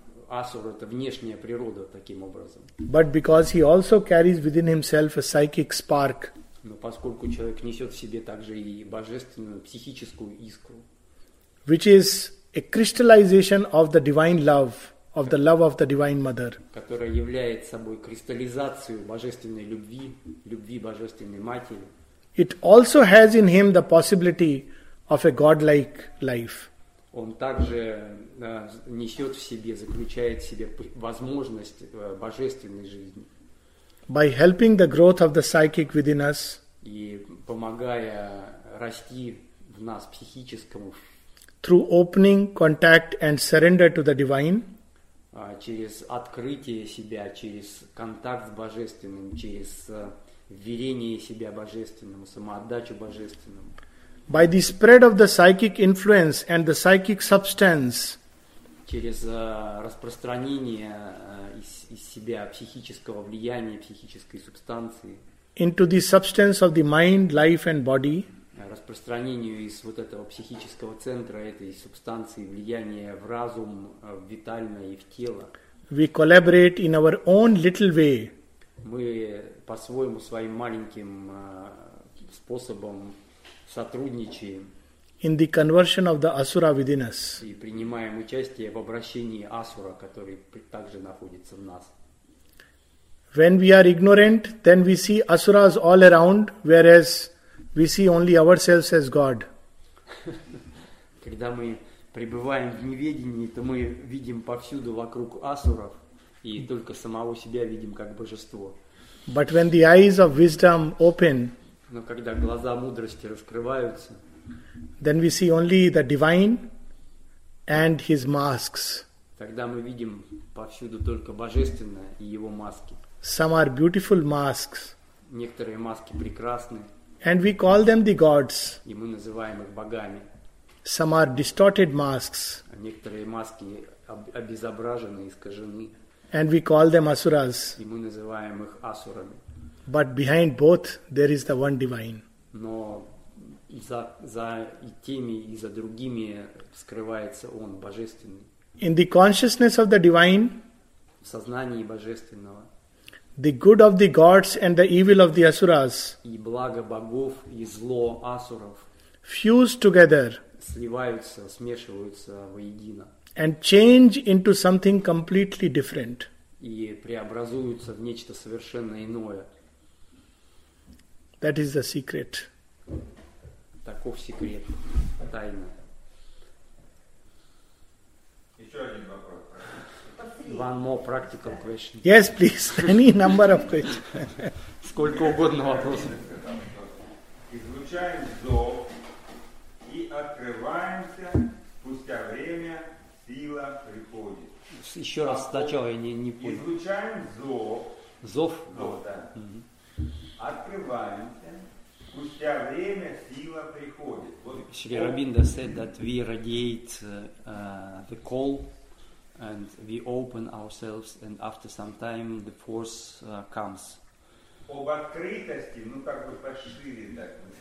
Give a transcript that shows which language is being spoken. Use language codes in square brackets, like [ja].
[ru] Asura это внешняя природа таким образом. [en] But because he also carries within himself a psychic spark. [ru] Но поскольку человек несет в себе также и божественную психическую искру. [en] Which is a crystallization of the divine love, of the love of the divine mother. [ru] Которая является собой кристаллизацию божественной любви, любви божественной матери. [en] It also has in him the possibility of a godlike life. [ru] он также несет в себе, заключает в себе возможность божественной жизни. [en] By helping the growth of the psychic within us, [ru] и помогая расти в нас психическому, [en] through opening, contact and surrender to the divine, [ru] через открытие себя, через контакт с божественным, через вверение себя божественному, самоотдачу божественному. [en] By the spread of the psychic influence and the psychic substance, [ru] через распространение из себя психического влияния, психической субстанции, [en] into the substance of the mind, life and body, [ru] распространению из вот этого психического центра, этой субстанции, влияния в разум, в витальное и в тело, [en] we collaborate in our own little way, [ru] мы по-своему, своим маленьким способом сотрудничаем, [en] in the conversion of the asura within us, [ru] и принимаем участие в обращении асура, который также находится в нас. [en] When we are ignorant, then we see asuras all around, whereas we see only ourselves as God. [ru] Когда мы пребываем в неведении, то мы видим повсюду вокруг асуров и только самого себя видим как божество. [en] But when the eyes of wisdom open, [ru] но когда глаза мудрости раскрываются, [en] then we see only the divine and his masks. [ru] Тогда мы видим повсюду только божественное и его маски. [en] Some are beautiful masks. [ru] Некоторые маски прекрасны. [en] And we call them the gods. [ru] И мы называем их богами. [en] Some are distorted masks. [ru] Некоторые маски обезображены, искажены. [en] And we call them asuras. [ru] И мы называем их асурами. [en] But behind both there is the one divine. [ru] Но за и теми, и за другими скрывается он божественный. [en] In the consciousness of the divine, [ru] в сознании божественного, [en] the good of the gods and the evil of the asuras, [ru] и благо богов и зло асуров, [en] fuse together, [ru] сливаются, смешиваются воедино, [en] and change into something completely different, [ru] и преобразуются в нечто совершенно иное. [en] That is the secret. [ru] Таков секрет, тайна. Еще один вопрос. [en] One more practical question. Yes, please. Any number of questions. [ru] Сколько угодно вопросов. Излучаем зов и открываемся, спустя время сила приходит. Еще раз, сначала я не понял. Излучаем зов. Зов? Зов, да. Открываемся, спустя время сила приходит. [en] Шри Рабинда said that we radiate the call. And we open ourselves, and after some time, the force comes. [ru] Об открытости, ну как бы пошире так.